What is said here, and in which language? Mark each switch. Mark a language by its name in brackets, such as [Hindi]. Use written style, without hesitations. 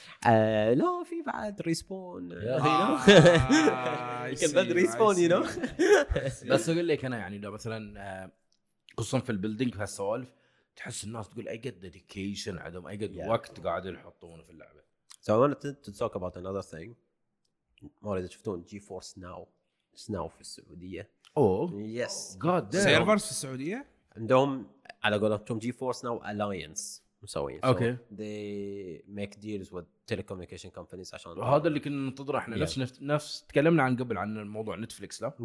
[Arabic] لا في بعد ريسبون يمكن بعد ريسبون [English] you know [Arabic] بس أقول لك أنا يعني لو مثلاً خصوصاً في البيلدينج في هالسوالف تحس الناس تقول أي قد ديديكيشن عندهم أي قد وقت قاعد يحطونه في اللعبة. [English] So I wanted to talk about another thing. [Arabic] ما أريد تشوفون جي فورس ناو سناو في السعودية. [English] Oh. Yes. God damn. [Arabic] سيرفرز في السعودية. عندهم على قولتهم جي فورس ناو ألاينس مسويين. [English] Okay. They make deals with telecommunication companies عشان. [Arabic] وهذا اللي كنا ننتظره إحنا نفس تكلمنا عن قبل عن الموضوع نتفليكس لا.